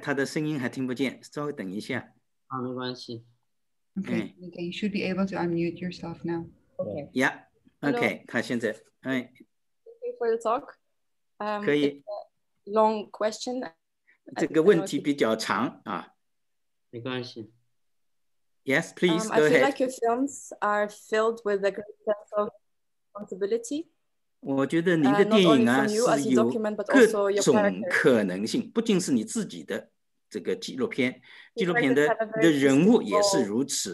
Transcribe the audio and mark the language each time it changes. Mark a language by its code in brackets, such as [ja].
[zh] 他的声音还听不见, 稍微等一下。没关系。 [en] Okay, you should be able to unmute yourself now. Okay. Yeah. Okay. Hello. [zh] 他现在, [en] thank you for the talk. [zh] 可以。 [en] Long question. [zh] 这个问题比较长, 没关系。 [en] Yes, please, go ahead. I feel like your films are filled with a great sense of responsibility. [zh] 我觉得您的电影啊, [en] not only from you as a document, but also your character. [zh] 各种可能性, 不仅是你自己的这个纪录片, 纪录片的人物也是如此。